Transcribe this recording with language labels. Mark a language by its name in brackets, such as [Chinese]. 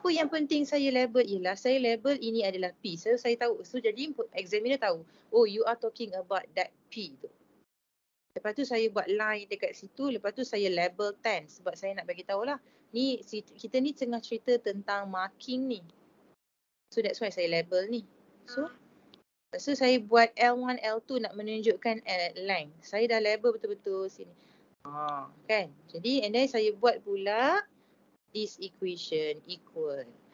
[Malay] Apa yang penting saya label ialah saya label ini adalah P. So saya tahu. So jadi examiner tahu. [English] Oh, you are talking about that P tu. [Malay] Lepas tu saya buat line dekat situ. Lepas tu saya label 10 sebab saya nak bagi tahu lah. Ni kita ni tengah cerita tentang marking ni. [English] So that's why [Malay] saya label ni. So saya buat L1, L2 nak menunjukkan length. Saya dah label betul-betul sini. Kan? Jadi [English] and then [Malay] saya buat pula [English] this equation equal.